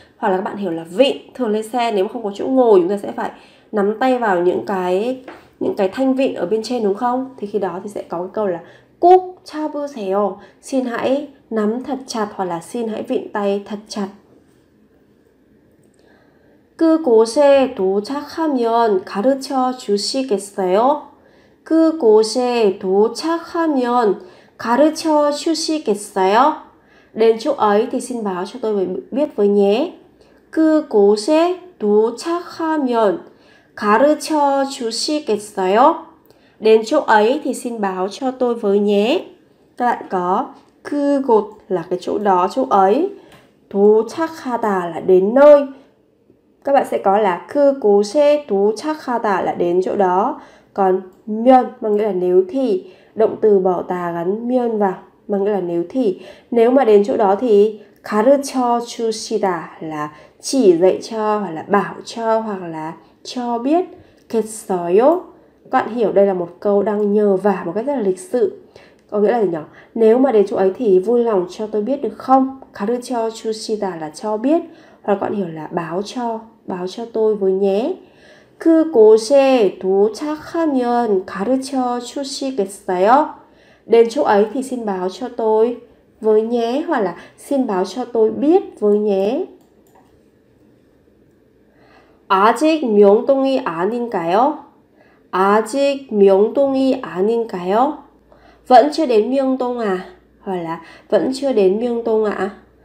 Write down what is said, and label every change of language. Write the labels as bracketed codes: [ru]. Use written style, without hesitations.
[vi] Hoặc là các bạn hiểu là vịn. Thường lên xe nếu mà không có chỗ ngồi, chúng ta sẽ phải nắm tay vào những cái thanh vịn ở bên trên đúng không? Thì khi đó thì sẽ có cái câu là [ko] 꼭 잡으세요. [vi] Xin hãy nắm thật chặt hoặc là xin hãy vịn tay thật chặt. [ko] 그곳에 도착하면 가르쳐 주시겠어요? 그곳에 도착하면 가르쳐 주시겠어요? [vi] Đến chỗ ấy thì xin báo cho tôi biết với nhé. [ko] 그곳에 도착하면 가르쳐 주시겠어요? [vi] Đến chỗ ấy thì xin báo cho tôi với nhé. Các bạn có 그곳 là cái chỗ đó, chỗ ấy. 도착하다 là đến nơi. Các bạn sẽ có là [ko] 그곳에 도착하다 [vi] là đến chỗ đó. Còn 면 mà nghĩa là nếu thì, động từ bỏ tà gắn 면 vào mà nghĩa là nếu thì. Nếu mà đến chỗ đó thì [ko] 가르쳐 주시다 [vi] là chỉ dạy cho hoặc là bảo cho hoặc là cho biết. [ko] 겠어요? [vi] Các bạn hiểu đây là một câu đang nhờ vả một cách rất là lịch sự. Có nghĩa là gì nhỉ? Nếu mà đến chỗ ấy thì vui lòng cho tôi biết được không? [ko] 가르쳐 주시다 [vi] là cho biết. Hoặc là các bạn hiểu là báo cho tôi với nhé. [ko] 그곳에 도착하면 가르쳐 주시겠어요? [vi] Đến chỗ ấy thì xin báo cho tôi với nhé, hoặc là xin báo cho tôi biết với nhé. [ko] 아직 명동이 아닌가요? 아직 명동이 아닌가요? [vi] Vẫn chưa đến Myeongdong à? Hoặc là vẫn chưa đến Myeongdong ạ?